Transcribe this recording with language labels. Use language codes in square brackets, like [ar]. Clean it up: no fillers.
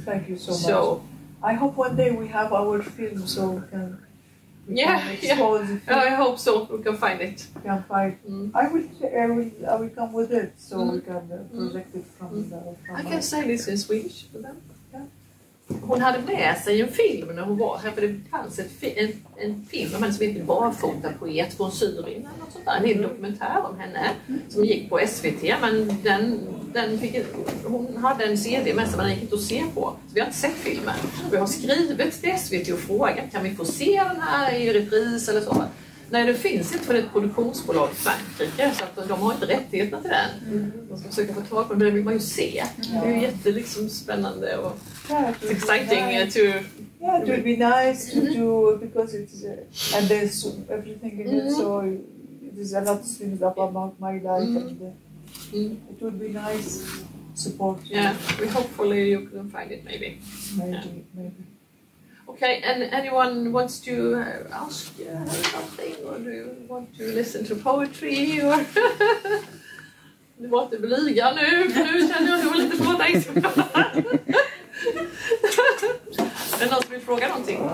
[en] Thank you so much. I hope one day we have our film so we can expose it. I hope so. We can find it. I will come with it so we can project it from I can say this in Swedish for them. [sv] Hon hade med sig en film när hon var här, för det fanns en film om henne som heter Barfota poet från Syrien eller något sånt där. En hel dokumentär om henne som gick på SVT, men hon hade en CD med sig, men den gick inte att se på. Så vi har inte sett filmen. Vi har skrivit till SVT och frågat, kan vi få se den här i repris eller så? Nej, det finns inte, för det är ett produktionsbolag i Frankrike, så att de har inte rättigheterna till den. De ska försöka få tag på den, men den vill man ju se. Det är ju jättespännande och [en] exciting to... Yeah, it would be nice to do, because it's... and there's everything in it, so there's a lot of things up about my life. It would be nice support. Yeah, we hopefully you can find it, maybe. Maybe. Okay, and anyone wants to ask you something, or do you want to listen to poetry, or... [sv] Du var inte blyga nu, för nu känner jag att du var lite påtänkt. Är någon som vill fråga någonting?